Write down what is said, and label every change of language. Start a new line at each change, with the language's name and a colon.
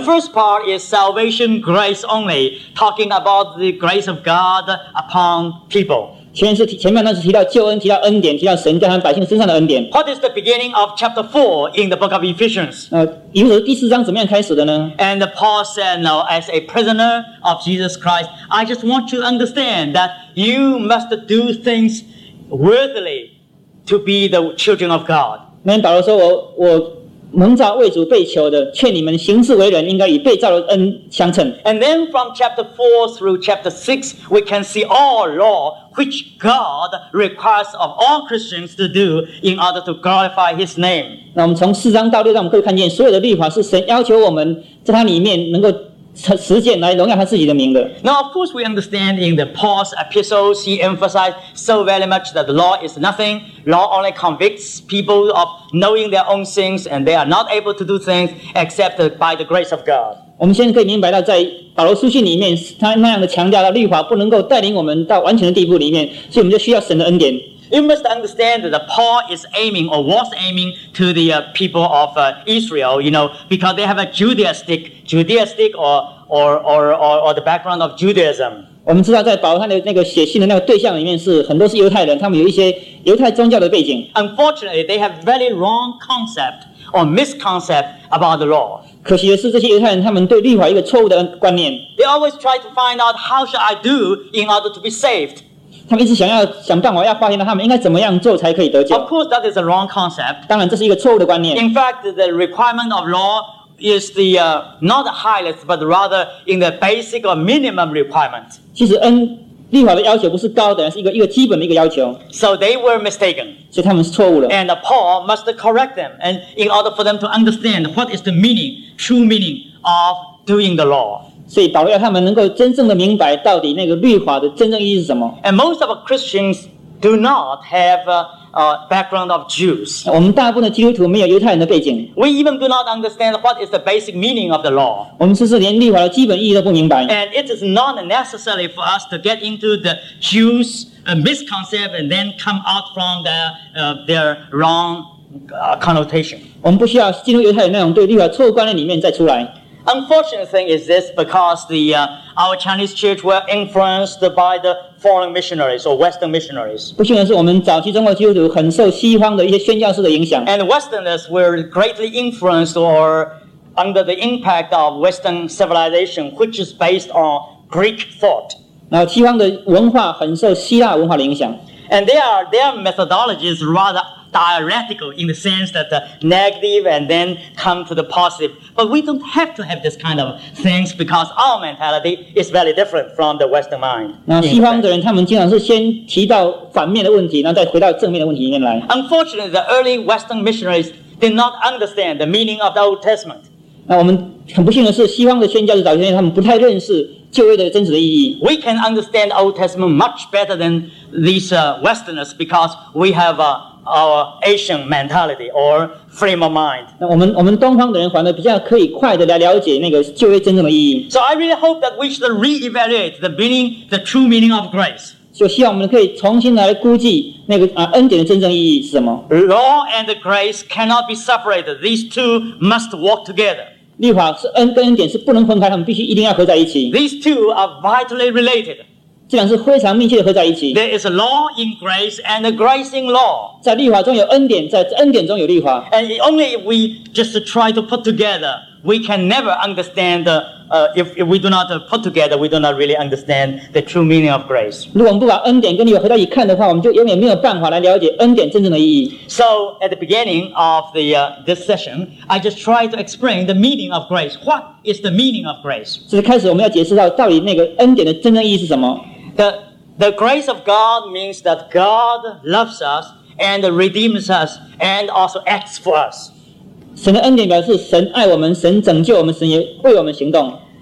English: The first part is salvation grace only, talking about the grace of God upon people.
Chinese: 前面那是提到救恩，提到恩典，提到神在他们百姓身上的恩典
English: What is the beginning of chapter 4 in the book of Ephesians?
Chinese: 以弗所书第四章怎么样开始的呢
English: And Paul said, no, as a prisoner of Jesus Christ, I just want you to understandUnderstand that you must do things worthily to be the children of God.
Chinese: 那保罗说我蒙召为主被囚的，劝你们行事为人，应该以被召的恩相称。
English: And then from chapter 4 through chapter 6, we can see all law which God requires of all Christians to do in order to glorify His name.
Chinese: 那我们从四章到六章，我们可以看见所有的律法是神要求我们在它里面能够。实践来荣耀他自己的名的。
English: Now, of course, we understand in the Paul's epistles, he emphasized so very much that the law is nothing. Law only convicts people of knowing their own sins, and they are not able to do things except by the grace of God.
Chinese: 我们现在可以明白到，在保罗书信里面，他那样的强调了律法不能够带领我们到完全的地步里面，所以我们就需要神的恩典。
English: You must understand that Paul is aiming or was aiming to the people of Israel, you know, because they have a Judaistic or the background of Judaism.
Chinese: 我们知道在保罗他的那个写信的那个对象里面是很多是犹太人，他们有一些犹太宗教的背景。
English: Unfortunately, they have very wrong concept or misconcept about the law.
Chinese: 可惜的是，这些犹太人他们对律法一个错误的观念。
English: They always try to find out how should I do in order to be saved.
Chinese: 他们一直想办法要发现他们应该怎么样做才可以得救。
English: Of course, that is a wrong concept.
Chinese: 当然，这是一个错误的观念。
English: In fact, the requirement of law is the not the highest, but rather in the basic or minimum requirement.
Chinese: 其实律法的要求不是高的，是一个基本的一个要求。
English: So they were mistaken.
Chinese: 所以他们是错误的。
English: And Paul must correct them, and in order for them to understand what is the meaning, true meaning of doing the law.
Chinese: 所以保罗要他们能够真正的明白到底那个律法的真正意义是什么。
English: And most of Christians do not have a background of Jews.
Chinese: 我们大部分的基督徒没有犹太人的背景。
English: We even do not understand what is the basic meaning of the law.
Chinese: 我们甚至连律法的基本意义都不明白。
English: And it is not necessary for us to get into the Jews' misconcept and then come out from their wrong connotation.
Chinese: 我们不需要进入犹太人那种对律法错误观念里面再出来。
English: Unfortunate thing is this because our Chinese church were influenced by the foreign missionaries or Western missionaries.
Chinese: 不幸的是，我们早期中国基督徒很受西方的一些宣教士的影响。
English: And Westerners were greatly influenced or under the impact of Western civilization, which is based on Greek thought.
Chinese: 那西方的文化很受希腊文化的影响。
English: And their methodology is rather. Dialectical in the sense that the negative and then come to the positive. But we don't have to have this kind of things because our mentality is very different from the Western mind.
Chinese: 那西方的人他们经常是先提到反面的问题，然后再回到正面的问题里面来。
English: Unfortunately, the early Western missionaries did not understand the meaning of the Old Testament.
Chinese: 那我们很不幸的是，西方的宣教士早期他们不太认识旧约的真实的意义。
English: We can understand Old Testament much better than these Westerners because we have our Asian mentality or frame of mind.
Chinese: 那我们东方的人反而比较可以快的来了解那个旧约真正的意义。
English: So I really hope that we should reevaluate the meaning, the true meaning of grace.
Chinese: 就希望我们可以重新来估计那个恩典的真正意义是什么。
English: Law and grace cannot be separated. These two must walk together.
Chinese: 律法是恩跟恩典是不能分开，他们必须一定要合在一起。
English: These two are vitally related.
Chinese: 既然是非常密切的合在一起。
English: There is a law in grace and a grace in law.
Chinese: 在律法中有恩典，在恩典中有律法。
English: And only if we just try to put together, we can never understand. If we do not put together, we do not really understand the true meaning of grace.
Chinese: 如果我们不把恩典跟律法合在一起看的话，我们就永远没有办法来了解恩典真正的意义。
English: So at the beginning of the this session, I just tried to explain the meaning of grace. What is the meaning of grace?
Chinese: 就是开始我们要解释到到底那个恩典的真正意义是什么。
English: The grace of God means that God loves us and redeems us and also acts for us.
Chinese: 神的恩典表示神爱我们，神拯救我们，神也为我们行动。